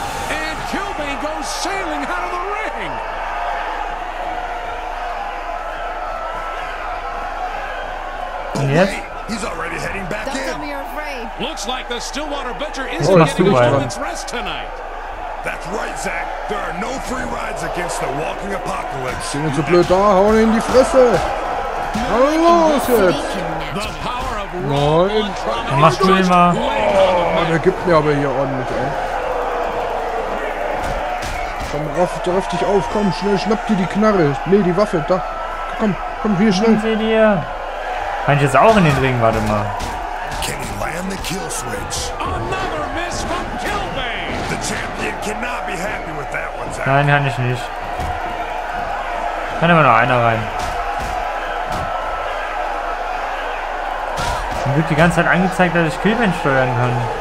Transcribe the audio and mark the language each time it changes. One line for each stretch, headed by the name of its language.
English: And Kilbane goes sailing out of the ring. Yes. He's already heading back Don't in. Don't tell me you're afraid. Looks like the Stillwater Butcher isn't getting a moment's rest tonight. That's right, Zach. There are no free rides against the walking apocalypse.
German: Sind so blöd da, hauen in die Fresse. Hau los jetzt.
English: The power of
German: Mach du immer. Oh, der gibt mir aber hier ordentlich, ey. Komm, raff dich auf, komm, schnell, schnapp dir die Knarre. Nee, die Waffe, da. Komm, komm, hier schnell. Ich seh dir. Kann ich jetzt auch in den Ring, warte mal.
English: Can he land the kill switch? Another miss from Kilbane. The champion cannot be happy with that one, Zach.
German: Nein, kann ich nicht. Kann immer noch einer rein. Schon wird die ganze Zeit angezeigt, dass ich Killman steuern kann.